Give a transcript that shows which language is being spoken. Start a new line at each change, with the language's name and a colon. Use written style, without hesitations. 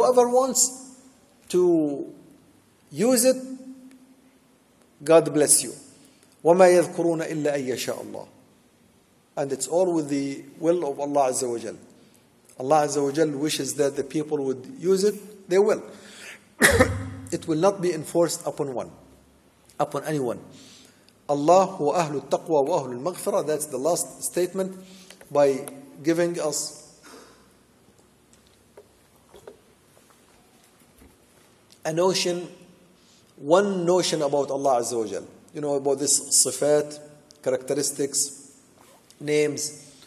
English: Whoever wants to use it, God bless you.
Arabic: وَمَا يَذْكُرُونَ إِلَّا أَنْ يَشَاءَ اللَّهِ.
English: And it's all with the will of Allah Azza wa Jal. Allah Azza wa Jal wishes that the people would use it, they will. It will not be enforced upon one, upon anyone.
Arabic: Allah هو أهل التقوى وأهل المغفرة.
English: That's the last statement by giving us a notion, one notion about Allah Azza wa Jal. You know about this صفات, characteristics, names.